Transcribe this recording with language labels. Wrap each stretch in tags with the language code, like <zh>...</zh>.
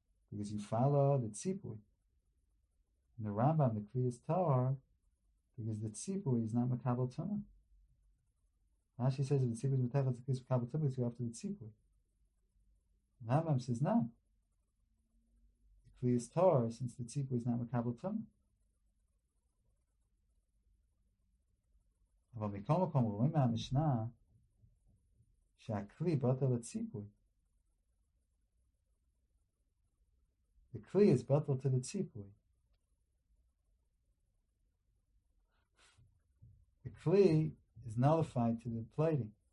<en>Because you follow the tzipui. In the Rambam, the kli is tahor, because the tzipui is not mekabel tumah. Rashi says if the tzipui is mateches, the kli is mekabel tumah, because you're after the tzipui. The Rambam says no. The kli is tahor, since the tzipui is not mekabel tumah.</en> <he>אבל מכל מקום רואים מהמשנה שהכלי בוטל לציפוי.</he> <en>The כלי is בוטל to the ציפוי. The כלי is nullified to the plating.</en>